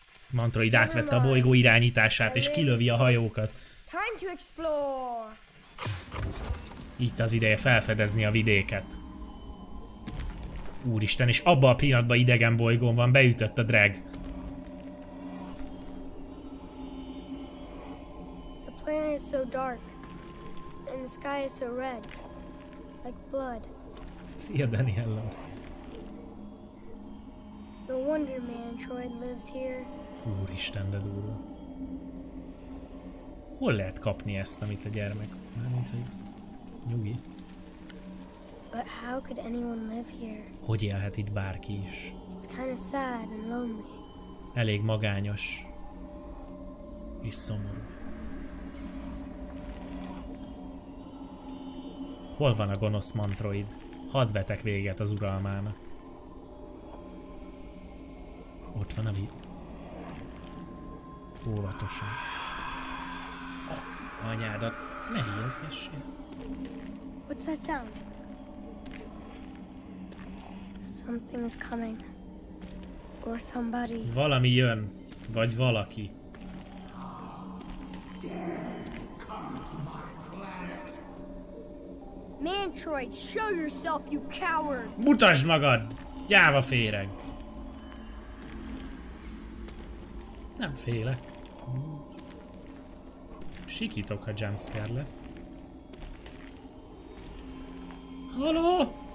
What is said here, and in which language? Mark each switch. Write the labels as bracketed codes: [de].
[hu] Mantroid átvette a bolygó irányítását és kilövi a hajókat. [en] Time to explore. [hu] Itt az ideje felfedezni a vidéket. Úristen, és abban a pillanatban idegen bolygón van, beütött a drag. [en] The planet is so dark and the sky is so red. like blood. See ya, Daniela. No wonder Mantroid lives here. [hu] Úristen, de durva. Hol lehet kapni ezt, amit a gyermek? Mármint, hogy nyugi. [en] But how could anyone live here? [hu] Hogy élhet itt bárki is? [en] It's kind of sad and lonely. [hu] Elég magányos. És szomorú. Hol van a gonosz Mantroid? Hadd vetek véget az uralmának. Ott van a vi... Óvatosan. Oh, anyádat, ne hihezgessél. [en] What's that sound? Something is coming. Or somebody. [hu] Valami jön. Vagy valaki. [en] Mantroid, show yourself, you coward! [hu] Mutasd magad, gyáva féreg! Nem félek. Sikítok, ha jumpscare lesz. Haló?